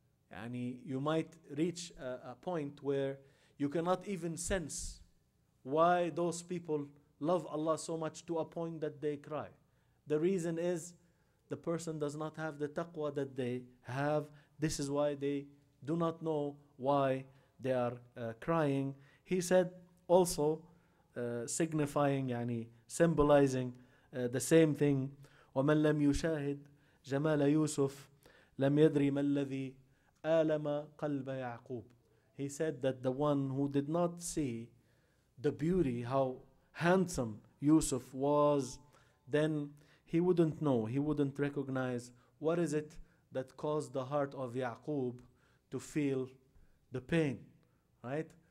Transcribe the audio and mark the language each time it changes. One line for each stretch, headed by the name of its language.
English: And you might reach a point where you cannot even sense why those people love Allah so much to a point that they cry. The reason is the person does not have the taqwa that they have. This is why they do not know why they are crying. He said also, signifying,
Arabic: يعني,
English: symbolizing the same thing,
Arabic: وَمَنْ لَمْ يُشَاهِدْ جَمَالَ يُوسُفْ لَمْ يَدْرِي مَا الَّذِي آلَمَ قَلْبَ يَعْقُوبُ.
English: He said that the one who did not see the beauty, how handsome Yusuf was, then he wouldn't know, he wouldn't recognize what is it that caused the heart of Yaqub to feel the pain, right?